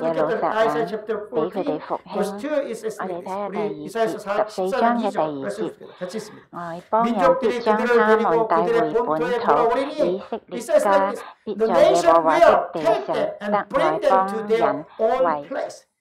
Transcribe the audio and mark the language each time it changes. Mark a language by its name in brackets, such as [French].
[English] Let's look at Isaiah chapter 14, verse 2 is this. [Korean] 우리 이사야서 14장 2절 같이 읽습니다. 민족들이 그들을 데리고 그들의 본토에 돌아오리니, [English] it says that the nation will take them and bring them to their own place.